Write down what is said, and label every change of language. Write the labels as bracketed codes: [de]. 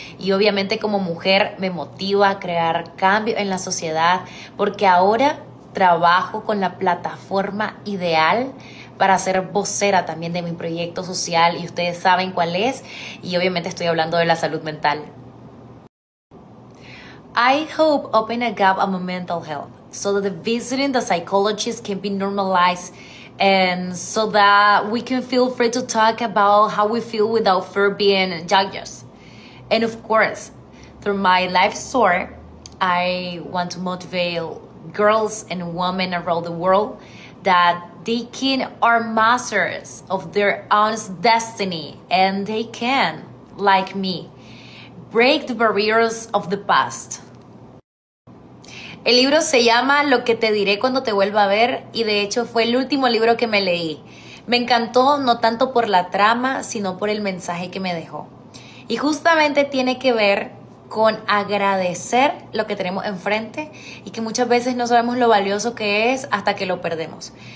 [es] Y obviamente como mujer me motiva a crear cambio en la sociedad, porque ahora trabajo con la plataforma ideal para ser vocera también de mi proyecto social. Y ustedes saben cuál es. Y obviamente estoy hablando de la salud mental. [en] I hope opening a gap on my mental health so that the visiting the psychologist can be normalized and so that we can feel free to talk about how we feel without fear being judged. And of course, through my life story, I want to motivate girls and women around the world that they can are masters of their own destiny, and they can, like me, break the barriers of the past. [es] El libro se llama Lo que te diré cuando te vuelva a ver y de hecho fue el último libro que me leí. Me encantó no tanto por la trama, sino por el mensaje que me dejó. Y justamente tiene que ver con agradecer lo que tenemos enfrente y que muchas veces no sabemos lo valioso que es hasta que lo perdemos.